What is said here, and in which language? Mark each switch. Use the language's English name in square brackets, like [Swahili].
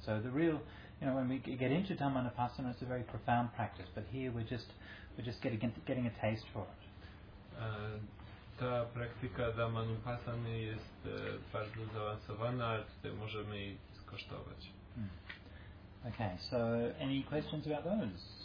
[English] So the real, you know, when we get into dhammanupassana, it's a very profound practice. But here we're just getting a taste for it. [Polish] Ta praktyka dhammanupassany jest bardzo zaawansowana, ale tutaj możemy jej skosztować. [English] Mm. Okay. So any questions about those?